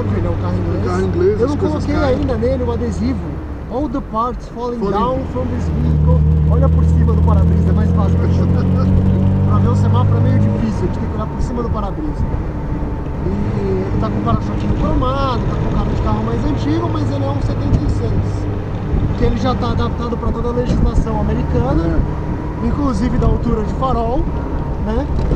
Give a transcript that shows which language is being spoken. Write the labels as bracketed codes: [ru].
[pt] Óbvio, ele é um carro inglês. Eu não coloquei ainda nele o adesivo. [en] All the parts falling down from this vehicle. [pt] Olha por cima do para-brisa, é mais fácil pra chutar. Pra ver o semáforo é meio difícil, a gente tem que olhar por cima do para-brisa. E ele tá com o para-choque cromado, tá com o carro de carro mais antigo, mas ele é um 76. Que ele já tá adaptado pra toda a legislação americana, inclusive da altura de farol, né?